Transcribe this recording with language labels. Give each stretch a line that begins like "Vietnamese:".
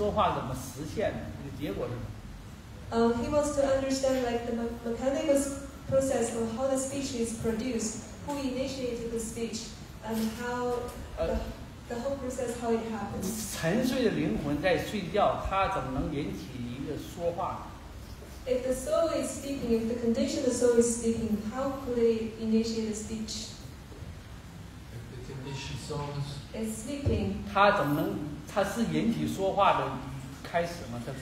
Chinese: 我想问这个说话的这个整个过程是怎么来的？是谁引起说话？完了，说话怎么实现的？这个结果是什么？
English: He wants to understand like the mechanical process of how the speech is produced, who initiated the speech, and how the whole process how it happens.
Chinese: 沉睡的灵魂在睡觉，它怎么能引起一个说话？
English: If the soul is speaking, if the condition of the soul is speaking, how could it initiate a speech? If the condition soul is sleeping,
Chinese: 它怎么能？它是引起说话的开始吗？